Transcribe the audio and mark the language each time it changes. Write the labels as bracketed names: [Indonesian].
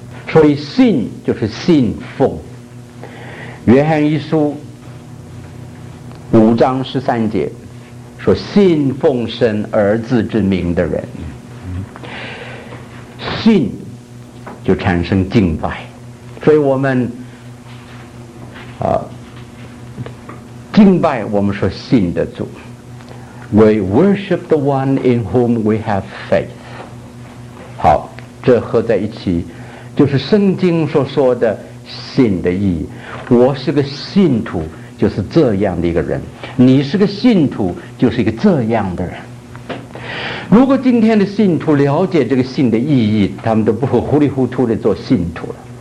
[Chinese] 所以信就是信奉。约翰一书五章十三节说，信奉神儿子之名的人，信就产生敬拜。所以我们敬拜我们说信的主。 [English] We worship the one in whom we have faith。 [Chinese] 好，这合在一起就是圣经所说的信的意义。我是个信徒就是这样的一个人，你是个信徒就是一个这样的人。如果今天的信徒了解这个信的意义，他们都不会糊里糊涂地做信徒了。